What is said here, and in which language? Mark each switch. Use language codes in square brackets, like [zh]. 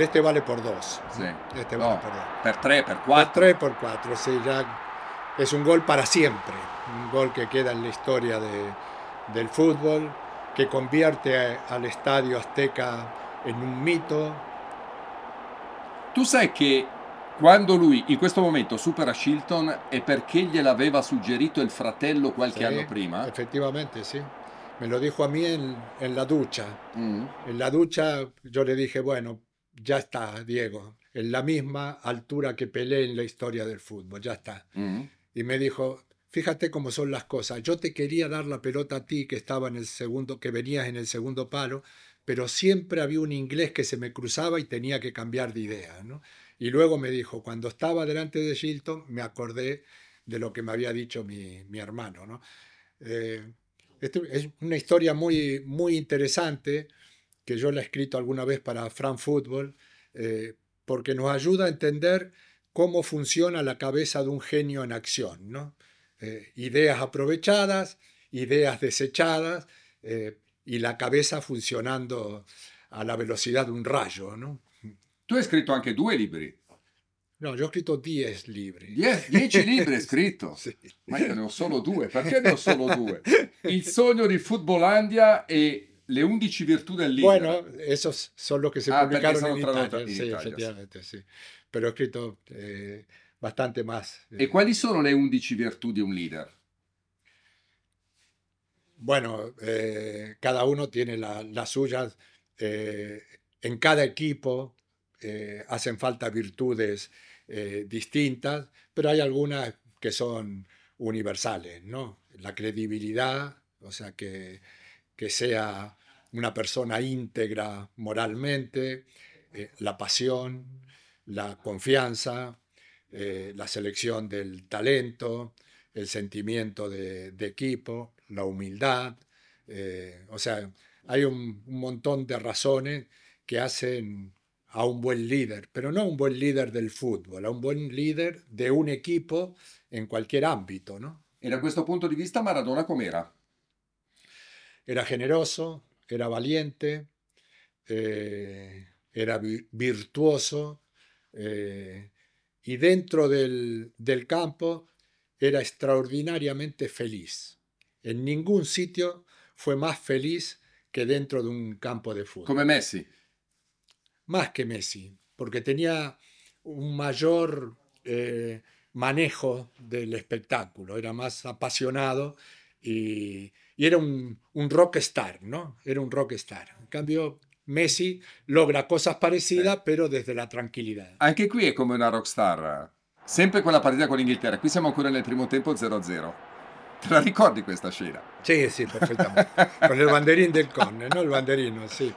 [es] Este vale por dos. Sí. Este vale por dos. [it] Per tre, per quattro. Per tre, per quattro. [es] Sí, ya es un gol para siempre. Un gol que queda en la historia del fútbol, que convierte al Estadio Azteca en un mito. Tú sabes que [it] quando lui in questo momento supera Shilton è perché gliel'aveva suggerito il fratello qualche anno prima? Effettivamente sì, [es] me lo dijo a me en la ducha. En la ducha yo le dije, bueno, ya está Diego, en la misma altura que Pelé en la historia del fútbol, ya está. Y me dijo, fíjate cómo son las cosas, yo te quería dar la pelota a ti que estaba en el segundo, que venías en el segundo palo, pero siempre había un inglés que se me cruzaba y tenía que cambiar de idea, ¿no? Y luego me dijo, cuando estaba delante de Shilton, me acordé de lo que me había dicho mi hermano, ¿no? Es una historia muy, muy interesante que yo la he escrito alguna vez para Fran Fútbol, porque nos ayuda a entender cómo funciona la cabeza de un genio en acción, ¿no? Ideas aprovechadas, ideas desechadas, y la cabeza funcionando a la velocidad de un rayo, ¿no? Tú has escrito [it] anche due libri. [es] No, yo he escrito 10 libri. 10 libri he escrito. Sí. [it] Ma io ne ho solo due. Perché ne ho solo due? Il sogno di Footballandia e le 11 virtù del leader. [es] Bueno, esos son los que se pubblicarono [it] in Italia. Sì, effettivamente, sì. Però ho scritto [es] bastante más. [it] E quali sono le 11 virtù di un leader? [es] Bueno, cada uno tiene la suya. En cada equipo hacen falta virtudes distintas, pero hay algunas que son universales, ¿no? La credibilidad, o sea, que sea una persona íntegra moralmente, la pasión, la confianza, la selección del talento, el sentimiento de equipo, la humildad. O sea, hay un montón de razones que hacen a un buen líder, pero no a un buen líder del fútbol, a un buen líder de un equipo en cualquier ámbito, ¿no? [it] ¿Y da questo punto di vista Maradona com'era? [es] Era generoso, era valiente, era virtuoso, y dentro del campo era extraordinariamente feliz. En ningún sitio fue más feliz que dentro de un campo de fútbol. Como Messi. Más que Messi, porque tenía un mayor manejo del espectáculo, era más apasionado y era un rockstar, ¿no? Era un rockstar. En cambio, Messi logra cosas parecidas, pero desde la tranquilidad. [it] Anche qui è come una rockstar, sempre con la partita con l'Inghilterra. Qui siamo ancora nel primo tempo 0-0. Te la ricordi questa scena? Sì, sì, perfettamente. Con il banderino del Conne, no? Il banderino, sì.